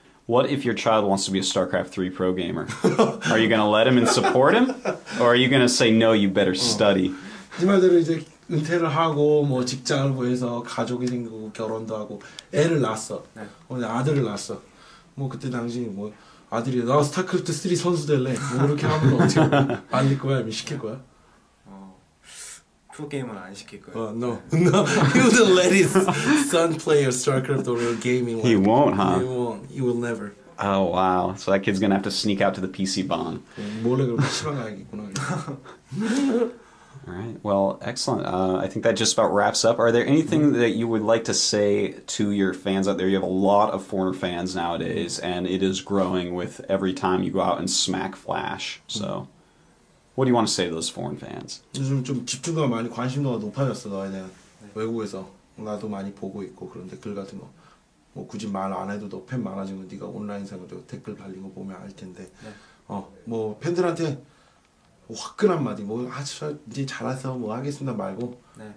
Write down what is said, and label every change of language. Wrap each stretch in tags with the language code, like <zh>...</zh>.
<en>What if your child wants to be a StarCraft 3 pro gamer? Are you going to let him and support him? Or are you going to say, no, you better study?</en> <ko>네 말대로 이제 은퇴를 하고 뭐 직장을 구해서 가족이 생기고 결혼도 하고 애를 낳았어. 네. 아들을 낳았어. 뭐 그때 당시 뭐 아들이 나 스타크래프트 3 선수 될래. 뭐 그렇게 하면 어떻게 말릴 거야? 아니면 시킬 거야? 프로게이머는 안 시킬 거야.</ko> <en>No. No. He wouldn't let his son play a StarCraft or a gaming He like. Won't, huh? He won't. He will never. Oh, wow. So that kid's gonna have to sneak out to the PC bond.</en> <ko>몰래 그럼 PC방 가야겠구나.</ko> <en>Alright, well, excellent. I think that just about wraps up. Are there anything that you would like to say to your fans out there? You have a lot of foreign fans nowadays, and it is growing with every time you go out and smack Flash. So, what do you want to say to those foreign fans?</en> <ko>요즘 좀 집중도가 많이, 관심도가 높아졌어, 너에 대한. 외국에서 나도 많이 보고 있고, 그런 댓글 같은 거. 뭐 굳이 말 안 해도 너 팬 많아진 거, 네가 온라인상으로 댓글 달린 거 보면 알 텐데. 뭐 팬들한테 화끈한 마디 뭐 아주 이제 잘해서 뭐 하겠습니다 말고 네.</ko>